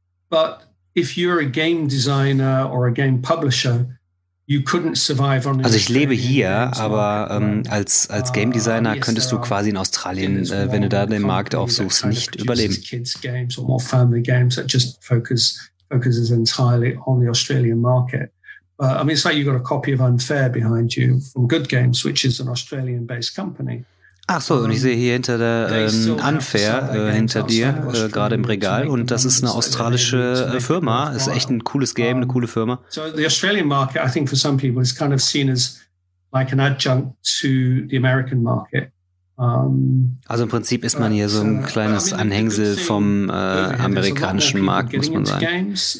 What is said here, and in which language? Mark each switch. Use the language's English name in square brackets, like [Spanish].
[English] but if you're a game designer or a game publisher, you couldn't survive on. [German] Also ich lebe hier, aber als Game Designer könntest du quasi in Australien, wenn du da den Markt aufsuchst, nicht überleben. [English] Kids games or more family games that just focuses entirely on the Australian market. I mean, it's like you've got a copy of Unfair behind you from Good Games, which is an Australian-based company. [German] Ach so, und ich sehe hier hinter der Unfair, hinter dir, gerade im Regal. Und das ist eine australische Firma. Ist echt ein cooles Game, eine coole Firma. [English] So the Australian market, I think for some people, is kind of seen as like an adjunct to the American market. [German] Also im Prinzip ist man hier so ein kleines Anhängsel vom amerikanischen Markt, muss man sagen.